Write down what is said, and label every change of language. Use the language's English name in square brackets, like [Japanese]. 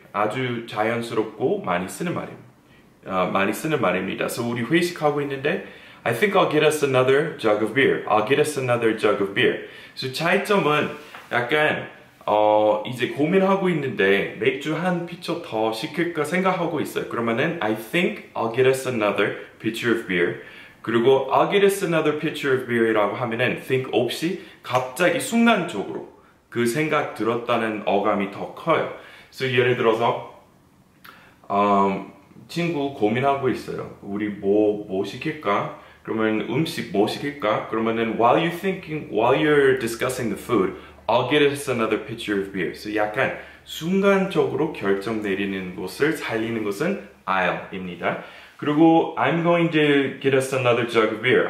[Korean] 아주 자연스럽고 많이 쓰는 말입니다. 많이 쓰는 말입니다. [English] So [Korean] 우리 회식하고 있는데 [English] I think I'll get us another jug of beer. I'll get us another jug of beer. [Korean] So 차이점은 약간 이제 고민하고 있는데 맥주 한 피처 더 시킬까 생각하고 있어요. 그러면은 [English] I think I'll get us another pitcher of beer. [Korean] 그리고 [English] I'll get us another pitcher of beer [Korean] 이라고 하면은 think 없이 갑자기 순간적으로 그 생각 들었다는 어감이 더 커요. So 예를 들어서 친구 고민하고 있어요. 우리 뭐 시킬까? 그러면 음식 뭐 시킬까? 그러면은 [English] while you're discussing the food, I'll get us another pitcher of beer. [Korean] So 약간 순간적으로 결정 내리는 것을 살리는 것은 I'll입니다. 그리고 [English] I'm going to get us another jug of beer.